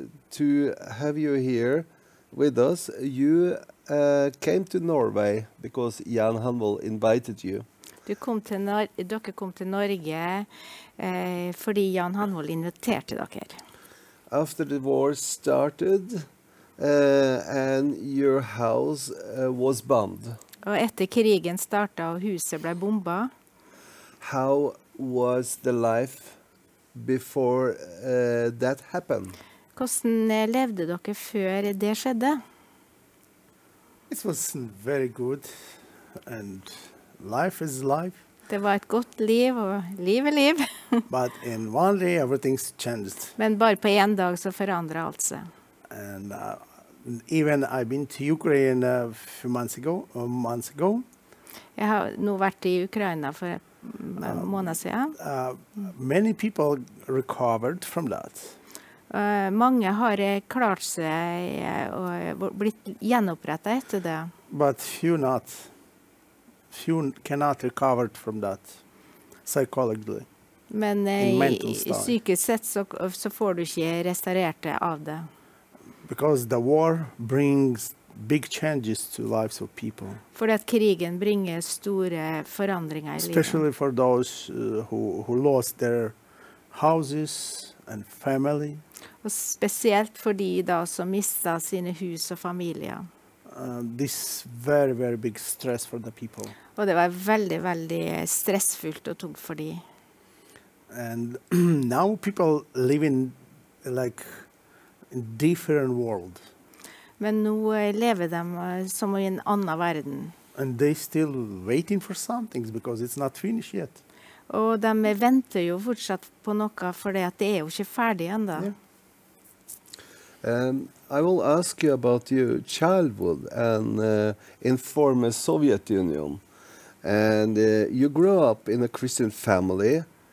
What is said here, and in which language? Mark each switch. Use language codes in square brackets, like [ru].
[en] To have you here with us, you came to Norway because Jan Hanvold invited you. [no] Dere kom til Norge fordi Jan Hanvold inviterte dere. [en] After the war started and your house was bombed. [no] Og etter krigen startet og huset ble bomba. [en] How was the life before that happened? [no] Hvordan levde dere før det skjedde? [en] It wasn't very good, and life is life. [no] Det var et godt liv, og liv er liv. [en] But in one day, everything's changed. [no] Men bare på en dag så forandret alt seg. [en] And even I've been to Ukraine a few months ago. [no] Jeg har nå vært i Ukraina for et måned siden. [en] Many people recovered from that. [no] Mange har klart seg og blitt gjenopprettet etter det. [en] But few not. Few cannot recover from that psychologically. [no] Men i psykisk sett så får du ikke restaurert det av det. [en] Because the war brings big changes to lives of people. [no] Fordi at krigen bringer store forandringer i livet. [en] Especially for those who lost their houses and family. [no] Og spesielt for de da som mistet sine hus og familier. [en] This very, very big stress for the people. [no] Og det var veldig, veldig stressfullt og tungt for de. [en] And now people live in like a different world. [no] Men nå lever de som i en annen verden. [en] And they're still waiting for some things because it's not finished yet. [no] Og de venter jo fortsatt på noe fordi at det er jo ikke ferdig enda. [en] Yeah. I will ask you about your childhood and in former Soviet Union. And you grew up in a Christian family.